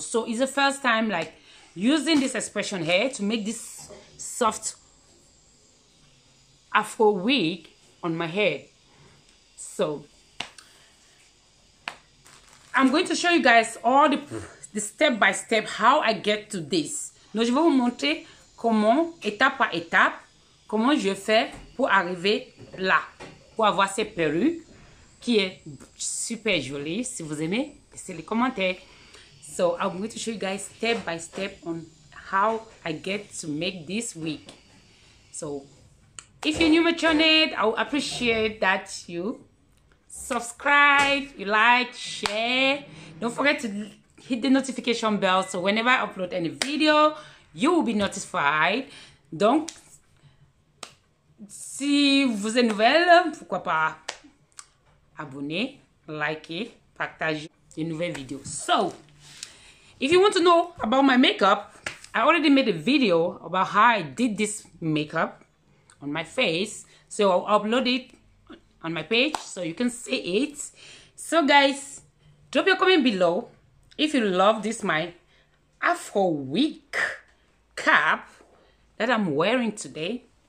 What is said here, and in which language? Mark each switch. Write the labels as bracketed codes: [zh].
[en] So, it's the first time, like, using this expression here to make this soft Afro wig. On my head, so I'm going to show you guys all the step by step how I get to this. [fr] Donc, je vais vous montrer comment, étape par étape, comment je fais pour arriver là, pour avoir cette perruque qui est super jolie. Si vous aimez, laissez les commentaires. [en] So I'm going to show you guys step by step on how I get to make this wig. So if you're new to my channel, I would appreciate that you subscribe, you like, share. Don't forget to hit the notification bell so whenever I upload any video, you will be notified. [fr] Donc, si vous êtes nouvelle, pourquoi pas abonner, liker, partager une nouvelle vidéo. [en] So, if you want to know about my makeup, I already made a video about how I did this makeup. On my face, so I'll upload it on my page so you can see it. So guys, drop your comment below if you love this my Afro wig cap that I'm wearing today.